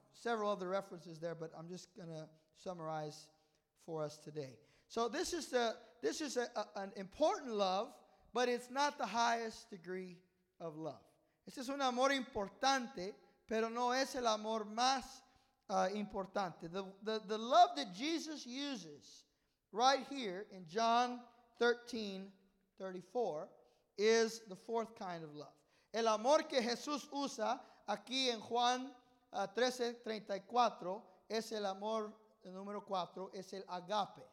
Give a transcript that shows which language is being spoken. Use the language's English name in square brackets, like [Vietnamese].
[English] Several other references there, but I'm just going to summarize for us today. So this is an important love, but it's not the highest degree of love. [Spanish] Este es un amor importante, pero no es el amor más importante. [English] The love that Jesus uses right here in John 13, 34 is the fourth kind of love. [Spanish] El amor que Jesús usa aquí en Juan 13:34 es el amor número 4, es el agape.